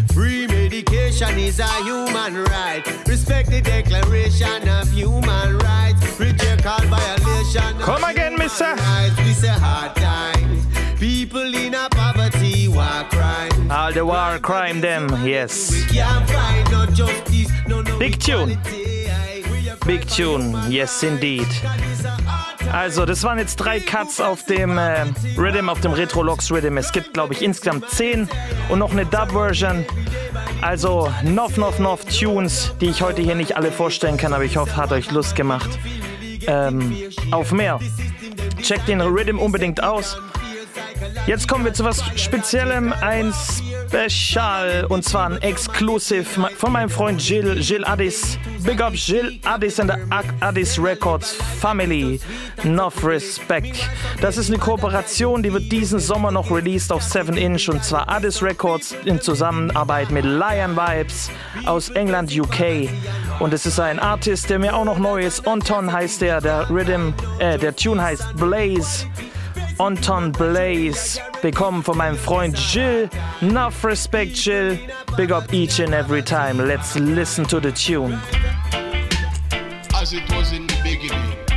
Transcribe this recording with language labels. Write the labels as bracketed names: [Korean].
[English] Free medication is a human right. Respect the declaration of human rights. Reject all violation. Come of again, human mister. Rights. It's a hard time. People in a poverty, war crime. All the war crime, them, yes. We can't find no justice, no, no. Big tune. Big tune, yes indeed. [German] Also, das waren jetzt drei Cuts auf dem Rhythm, auf dem Retrolox Rhythm. Es gibt, glaube ich, insgesamt 10 und noch eine Dub-Version. Also, noch Tunes, die ich heute hier nicht alle vorstellen kann, aber ich hoffe, hat euch Lust gemacht. Auf mehr. Checkt den Rhythm unbedingt aus. Jetzt kommen wir zu was Speziellem, ein Special, und zwar ein Exclusive von meinem Freund Jill Addis. [English] Big up Jill Addis and the Addis Records Family. Enough respect. [German] Das ist eine Kooperation, die wird diesen Sommer noch released auf 7-inch, und zwar Addis Records in Zusammenarbeit mit Lion Vibes aus England, UK. Und es ist ein Artist, der mir auch noch neu ist. Anton heißt der. Der Tune heißt Blaze. Anton Blaze. Bekommen von meinem Freund Jill. [English] Enough respect, Jill. Big up each and every time. Let's listen to the tune. As it was in the beginning.